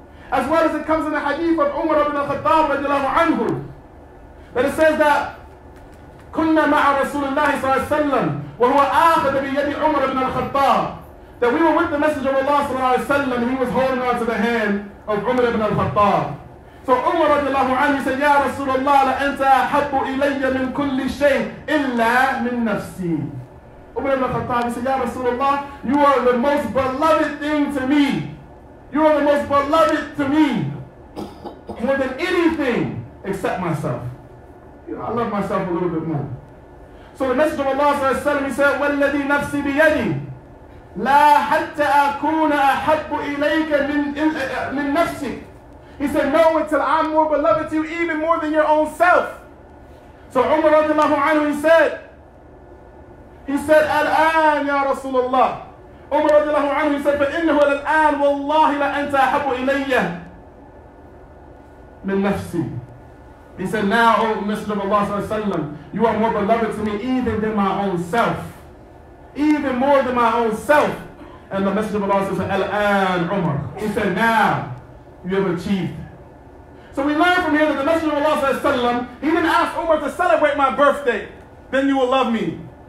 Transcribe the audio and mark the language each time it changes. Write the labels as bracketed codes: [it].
[en] As well as it comes in the hadith of Umar ibn al-Khattab radiallahu anhu, that it says that [ar] كنا مع رسول الله صلى الله عليه وسلم وهو آخذ بيد عمر بن الخطاب, [en] that we were with the Messenger of Allah صلى الله عليه وسلم and he was holding on to the hand of Umar ibn al-Khattab. [ar] So Umar رضي الله عنه said, "Ya Rasulullah, لأنت أحب إلي من كل شيء إلا من نفسي." [en] Umar ibn al-Khattab said, "Ya Rasulullah, you are the most beloved thing to me. You are the most beloved to me more than anything except myself. You know, I love myself a little bit more." So the Messenger of Allah sallallahu alayhi wa sallam, he said, [ar] "وَالَّذِي نَفْسِ بِيَدِي لَا حَتَّى أَكُونَ أَحَبُّ إِلَيْكَ مِنْ نَفْسِ." [en] He said, "No, until I'm more beloved to you, even more than your own self." So Umar radiallahu anhu, he said, [ar] "الآن يا رسول الله." Umar radiallahu anhu, [en] he said, [ar] "فَإِنَّهُ الْآنَ وَاللَّهِ لَأَنْتَ أَحَبُّ إِلَيَّ مِنْ نَفْسِ." [en] He said, "Now, O Messenger of Allah sallallahu alayhi wa sallam, you are more beloved to me even than my own self. Even more than my own self." And the Messenger of Allah sallallahu alayhi wa sallam said, "Al-an, Umar." He said, "Now, you have achieved." So we learn from here that the Messenger of Allah sallallahu alayhi wa sallam, he didn't ask Umar to celebrate my birthday, then you will love me.